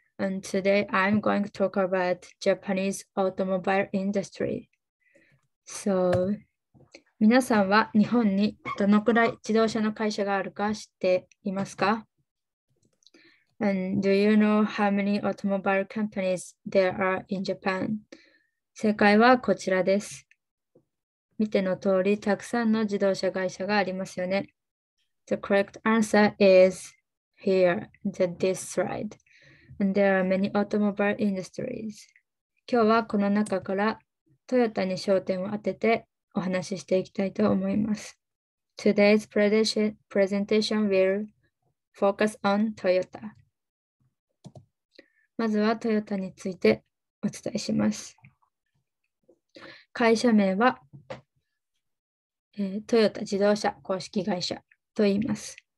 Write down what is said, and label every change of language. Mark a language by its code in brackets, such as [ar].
[en] And today I'm going to talk about Japanese automobile industry. [ja] So, 皆さんは日本にどのくらい自動車の会社があるか知っていますか? [en] And do you know how many automobile companies there are in Japan? [ja] 正解はこちらです。見ての通り、たくさんの自動車会社がありますよね。 [en] The correct answer is here, the this slide. And there are many automobile industries. [ja] 今日はこの中からトヨタに焦点を当ててお話ししていきたいと思います。 [en] Today's presentation will focus on Toyota. [ja] まずはトヨタについてお伝えします。会社名はトヨタ自動車公式会社と言います。